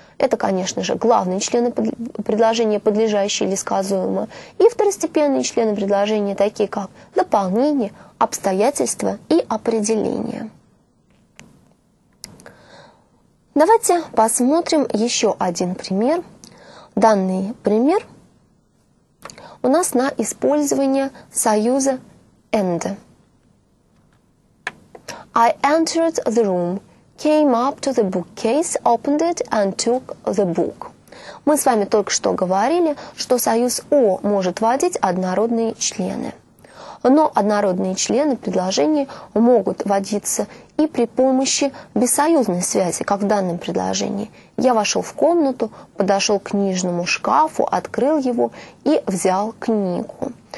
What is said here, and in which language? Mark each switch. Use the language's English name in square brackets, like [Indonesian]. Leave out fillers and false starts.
[Russian] Это, конечно же, главные члены предложения, подлежащие или сказуемые, и второстепенные члены предложения, такие как дополнение, обстоятельства и определение. Давайте посмотрим еще один пример. Данный пример у нас на использование союза and. [English] I entered the room, came up to the bookcase, opened it and took the book. [Russian] Мы с вами только что говорили, что союз or может вводить однородные члены. Но однородные члены предложения могут вводиться и при помощи бессоюзной связи, как в данном предложении. Я вошел в комнату, подошел к книжному шкафу, открыл его и взял книгу.